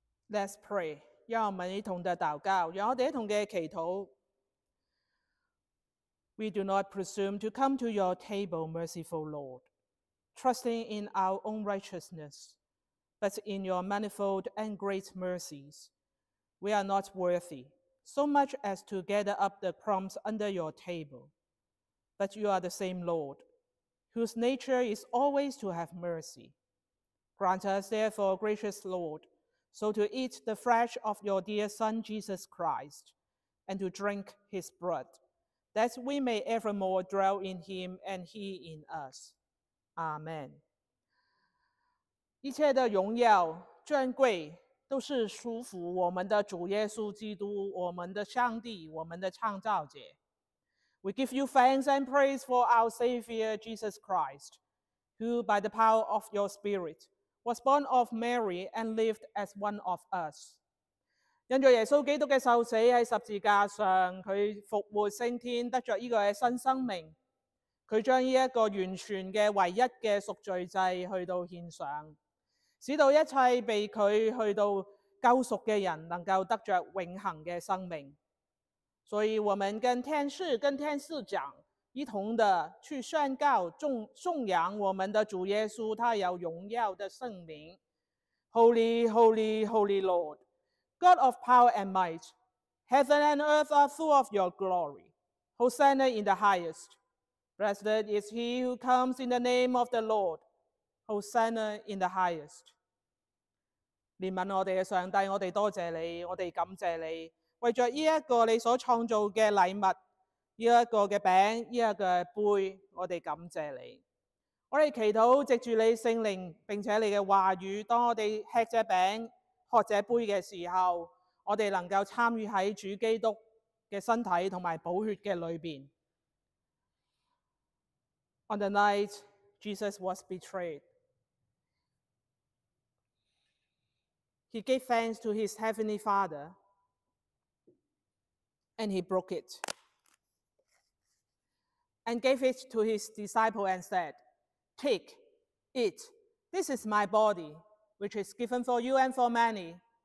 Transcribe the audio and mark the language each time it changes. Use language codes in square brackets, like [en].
[en] Let's pray. [zh] 让我们一同的祷告，让我们一同的祈祷。 [en] We do not presume to come to your table, merciful Lord, trusting in our own righteousness, but in your manifold and great mercies. We are not worthy so much as to gather up the crumbs under your table. But you are the same Lord, whose nature is always to have mercy. Grant us therefore, gracious Lord,so to eat the flesh of your dear Son, Jesus Christ, and to drink his blood, that we may evermore dwell in him and he in us. Amen. [zh] 一切的荣耀、尊贵都是属乎我们的主耶稣基督，我们的上帝，我们的创造者。 [en] We give you thanks and praise for our Savior, Jesus Christ, who by the power of your Spirit,was born of Mary and lived as one of us. [zh] 因着耶稣基督的受死在十字架上，他复活升天，得着这个新生命，他将这个完全的唯一的赎罪祭去到献上，使到一切被他去到救赎的人能够得着永恒的生命。所以我们跟天使，跟天使讲，一同的去宣告颂扬我们的主耶稣，他有荣耀的圣名。 [en] Holy, Holy, Holy Lord, God of power and might, heaven and earth are full of your glory. Hosanna in the highest. Blessed is he who comes in the name of the Lord. Hosanna in the highest. [zh] 怜悯我们的上帝，我们多谢你，我们感谢你，为着这个你所创造的礼物，这个的饼，这个的杯，我们感谢你。我们祈祷藉着你圣灵并且你的话语，当我们吃这饼喝这杯的时候，我们能够参与在主基督的身体和宝血的里面。 [en] On the night Jesus was betrayed, he gave thanks to his heavenly father and he broke itand gave it to his disciple and said, Take, eat, this is my body, which is given for you and for many.